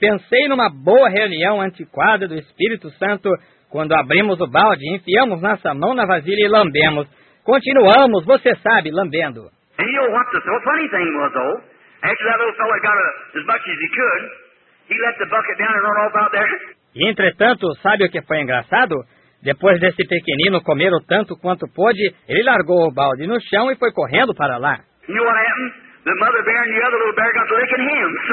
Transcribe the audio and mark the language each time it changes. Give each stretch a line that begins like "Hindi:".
Portuguese: Pensei numa boa reunião antiquada do Espírito Santo quando abrimos o balde, enfiamos nossa mão na vasilha e lambemos. Continuamos, você sabe, lambendo.
English: And you know what the funny thing was, though? After that little fellow got as much as he could, he let the bucket down and run off out there.
Portuguese: E entretanto, sabe o que foi engraçado? Depois desse pequenino comer o tanto quanto pôde, ele largou o balde no chão e foi correndo para lá.
English: You know what happened? The mother bear and the other little bear got licking him.